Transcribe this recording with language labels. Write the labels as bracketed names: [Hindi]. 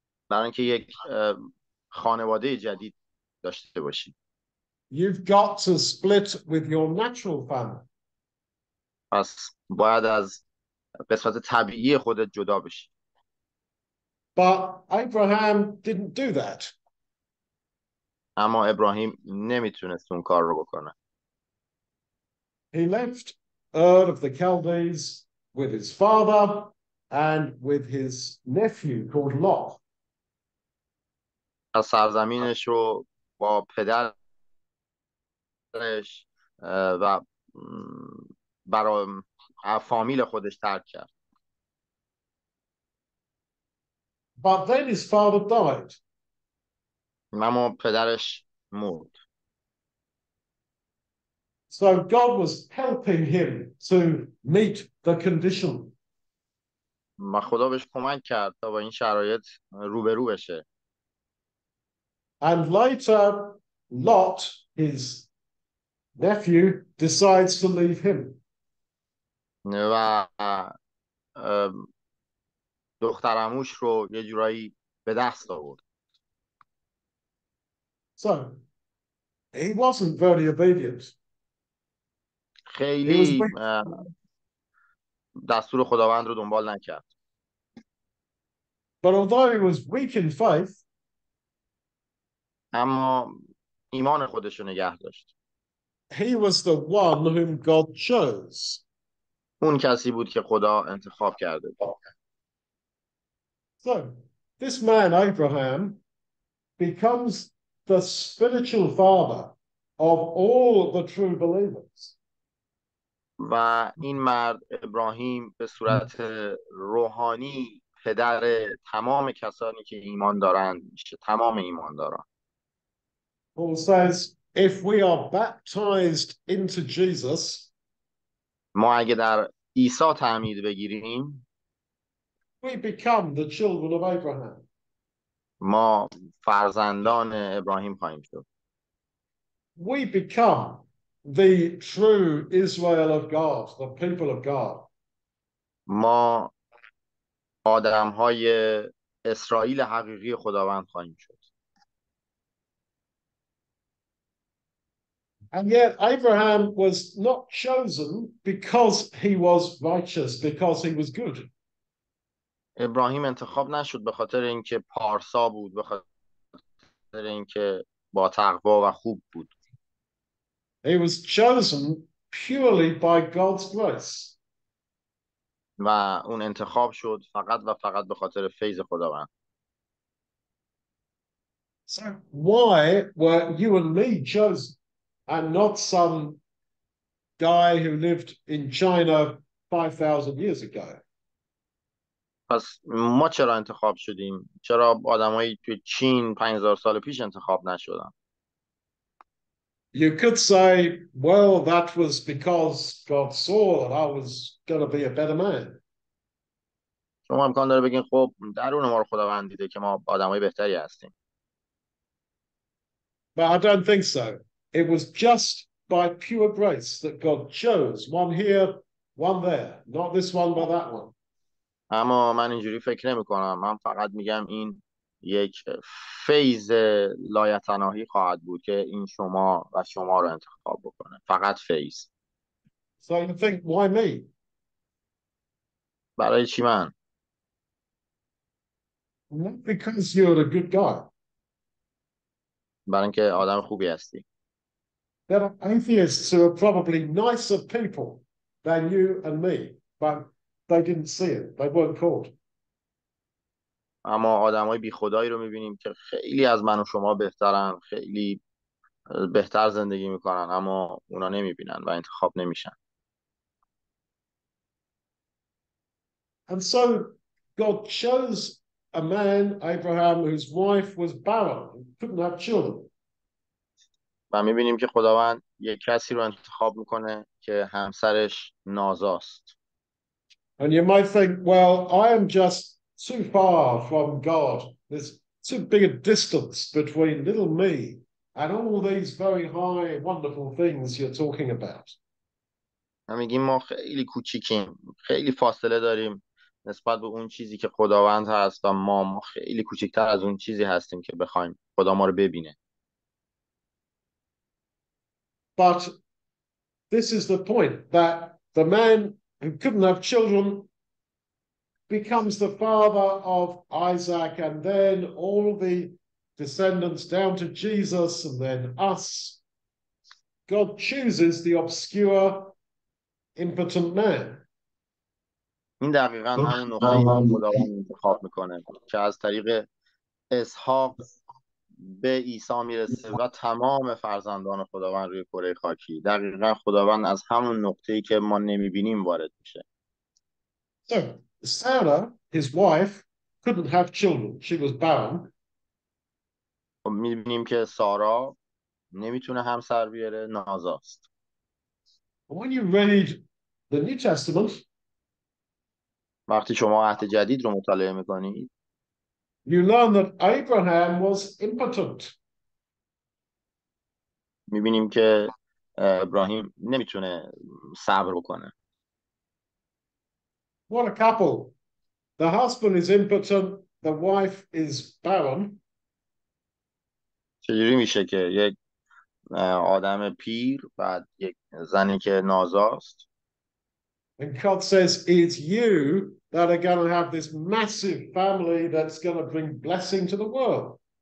[Persian] برای اینکه یک خانواده جدید داشته باشی، [English] you've got to split with your natural family. [Persian] پس باید از قسمت طبیعی خودت جدا بشی. [English] But Abraham didn't do that. [Persian] اما ابراهیم نمیتونست اون کار رو بکنه. [English] He left Ur of the Chaldees with his father and with his nephew called Lot. [Persian] از سرزمینش رو با پدرش و برای فامیل خودش ترک کرد. [English] But then his father died. [Persian] اما پدرش مرد. [English] So God was helping him to meet the condition. [Persian] ما خدا بهش کمک کرد تا با این شرایط روبرو بشه. [English] And later, Lot, his nephew, decides to leave him. [Persian] و دخترموش رو یه جورایی به دست آورد. [English] So, he wasn't very obedient. [Persian] خیلی دستور خداوند رو دنبال نکرد. [English] But although he was weak in faith, [Persian] اما ایمان خودش رو نگه داشت. [English] he was the one whom God chose. [Persian] اون کسی بود که خدا انتخاب کرده. [English] So, this man Abraham becomes the spiritual father of all the true believers. [Persian] و این مرد ابراهیم به صورت روحانی پدر تمام کسانی که ایمان دارند میشه، تمام ایمانداران. [English] Paul says, if we are baptized into Jesus, [Persian] ما اگه در عیسی تعمید بگیریم، [English] we become the children of Abraham. [Persian] ما فرزندان ابراهیم خواهیم شد. [English] We become the true Israel of God, the people of God. [Persian] ما آدم‌های اسرائیل حقیقی خداوند خواهیم شد. [English] And yet Abraham was not chosen because he was righteous, because he was good. [Persian] ابراهیم انتخاب نشد به خاطر اینکه پارسا بود، به خاطر اینکه با تقوا و خوب بود. [English] He was chosen purely by God's grace. [Persian] و اون انتخاب شد فقط و فقط به خاطر فیض خداوند. [English] So why were you and me chosen and not some guy who lived in China 5,000 years ago? [Persian] پس ما چرا انتخاب شدیم؟ چرا آدمایی توی چین 5000 سال پیش انتخاب نشدن؟ [English] You could say, well, that was because God saw that I was going to be a better man. [Persian] شما امکان داره بگین خب درون ما رو خداوند دیده که ما آدمای بهتری هستیم. [English] But I don't think so. It was just by pure grace that God chose one here, one there, not this one but that one. [Persian] اما من اینجوری فکر نمی کنم. من فقط میگم این یک فیض لایتناهی خواهد بود که این شما و شما رو انتخاب بکنه. فقط فیض. [English] So you think, why me? [Persian] برای چی من؟ [English] Not because you're a good guy. [Persian] برای اینکه آدم خوبی هستی. [English] There are atheists who are probably nicer people than you and me, but they didn't see it. They weren't called. [Persian] اما آدمای بی خدایی رو میبینیم که خیلی از من و شما بهترن، خیلی بهتر زندگی میکنن، اما اونا نمیبینن و انتخاب نمیشن. [English] And so God chose a man, Abraham, whose wife was barren and couldn't have children. [Persian] و میبینیم که خداوند یک کسی رو انتخاب میکنه که همسرش نازاست. [English] And you might think, well, I am just too far from God. There's too big a distance between little me and all these very high, wonderful things you're talking about. [Persian] میگیم ما خیلی کوچیکیم، خیلی فاصله داریم نسبت به اون چیزی که خداوند هست و ما خیلی کوچکتر از اون چیزی هستیم که بخوایم خدا ما رو ببینه. [English] But this is the point that the man who couldn't have children becomes the father of Isaac, and then all the descendants down to Jesus, and then us. God chooses the obscure, impotent man. [Persian] این دقیقاً همون نقطه‌ای که خداوند انتخاب می‌کنه که از طریق اسحاق به عیسی میرسه و تمام فرزندان خداوند روی کره خاکی. دقیقاً خداوند از همون نقطه‌ای که ما نمی‌بینیم وارد میشه. [English] Sarah, his wife, couldn't have children. She was barren. [Persian] می‌بینیم که سارا نمی‌تونه همسر بیاره، نازاست. [English] When you read the New Testament, [Persian] وقتی شما عهد جدید رو مطالعه میکنید [English] you learn that Abraham was impotent. [Persian] میبینیم که ابراهیم نمیتونه صبر بکنه. [English] What a couple. The husband is impotent, the wife is barren. [Persian] چجوری میشه که یک آدم پیر و یک زنی که نازاست. [English] And God says, it's you that are going to have this massive family that's going to bring blessing to the world.